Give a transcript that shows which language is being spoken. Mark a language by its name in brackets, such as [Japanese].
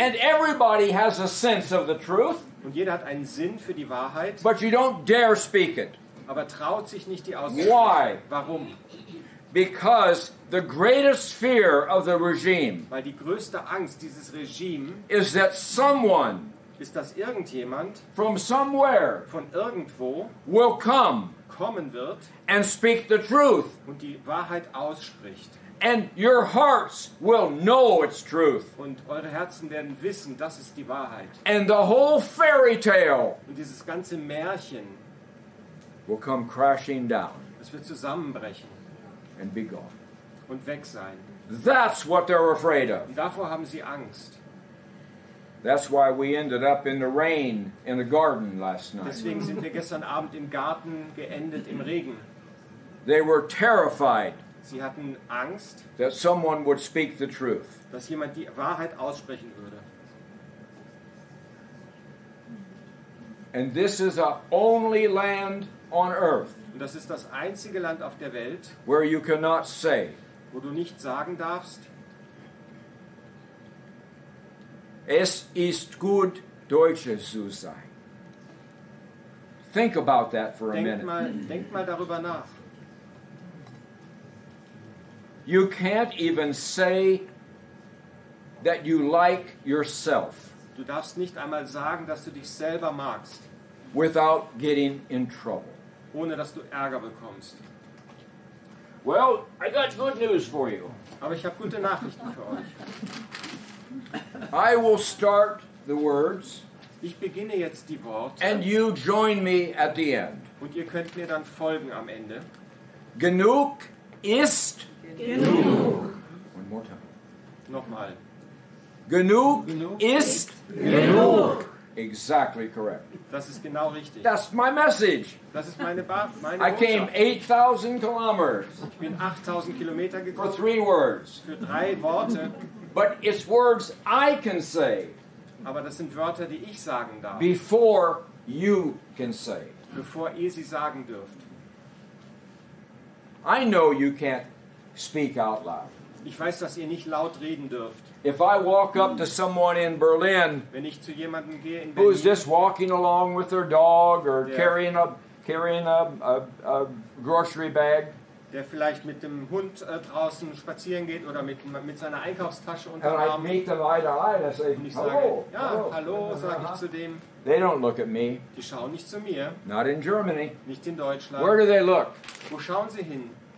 [English] And everybody has a sense of the truth. [German] Und jeder hat einen Sinn für die Wahrheit. [English] But you don't dare speak it. [German] Aber traut sich nicht, die auszusprechen. [English] Why? [German] Warum? [English] Because the greatest fear of the regime, [German] weil die größte Angst dieses Regime, [English] is that someone, [German] ist das irgendjemand, [English] from somewhere, [German] von irgendwo, [English] will come, [German] kommen wird, [English] and speak the truth, [German] und die Wahrheit ausspricht, [English] and your hearts will know its truth, [German] und eure Herzen werden wissen, das ist die Wahrheit, [English] and the whole fairy tale, [German] und dieses ganze Märchen, [English] will come crashing down, [German] es wird zusammenbrechen. [English] And be gone. [German] Und weg sein. [English] That's what they're afraid of. [German] Und davor haben sie Angst. [English] That's why we ended up in the rain in the garden last night. [German] Deswegen sind wir gestern Abend im Garten geendet im Regen. [English] They were terrified. [German] Sie hatten Angst. [English] That someone would speak the truth. [German] Dass jemand die Wahrheit aussprechen würde. [English] And this is the only land on earth. [German] Und das ist das einzige Land auf der Welt, [English] where you cannot say, [German] wo du nicht sagen darfst, es ist gut, Deutsche zu sein. [English] Think about that for a minute. [German] Denk mal darüber nach. [English] You can't even say that you like yourself. [German] Du darfst nicht einmal sagen, dass du dich selber magst, [English] without getting in trouble. [German] Ohne dass du Ärger bekommst. [English] Well, I got good news for you. [German] Aber ich habe gute Nachrichten für euch. [English] I will start the words. [German] Ich beginne jetzt die Worte. [English] And you join me at the end. [German] Und ihr könnt mir dann folgen am Ende. Genug ist genug. [English] One more time. [German] Nochmal. Genug ist genug. [English] Exactly correct. [German] Das ist genau richtig. [English] That's my message. [German] Das ist meine Botschaft. [English] I came 8,000 kilometers. [German] Ich bin 8,000 Kilometer gekommen. [English] For three words. [German] Für drei Worte. [English] But it's words I can say. [German] Aber das sind Wörter, die ich sagen darf. [English] Before you can say. [German] Bevor ihr sie sagen dürft. [English] I know you can't speak out loud. [German] Ich weiß, dass ihr nicht laut reden dürft. [English] If I walk up to someone in Berlin, [German] wenn ich zu jemandem gehe in Berlin, [English] who's just walking along with their dog or carrying a grocery bag, [German] der vielleicht mit dem Hund draußen spazieren geht oder mit seiner Einkaufstasche unter dem Arm, [English] and I meet them eye to eye, [German] und ich sage, hallo, sage ich zu dem. [English] They don't look at me. [German] Die schauen nicht zu mir. [English] Not in Germany. [German] Nicht in Deutschland. [English] Where do they look? [German] Wo schauen sie hin?